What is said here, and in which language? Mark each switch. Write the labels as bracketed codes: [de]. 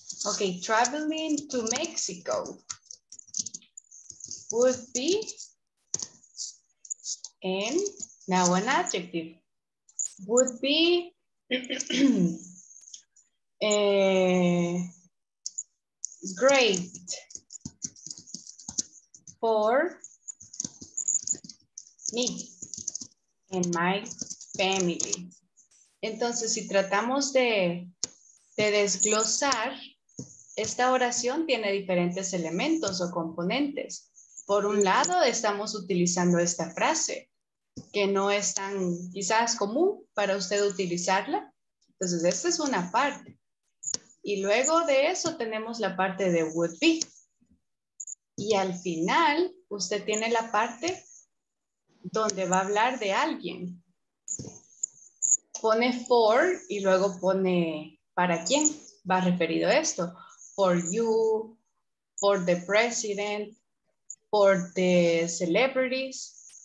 [en] Ok, traveling to Mexico would be in, now an adjective, would be great for me and my family. [es] Entonces, si tratamos de desglosar, esta oración tiene diferentes elementos o componentes. Por un lado, estamos utilizando esta frase, que no es tan quizás común para usted utilizarla. Entonces, esta es una parte. Y luego de eso tenemos la parte de would be. Y al final, usted tiene la parte donde va a hablar de alguien. Pone for y luego pone para quién va referido esto. [en] For you, for the president, for the celebrities.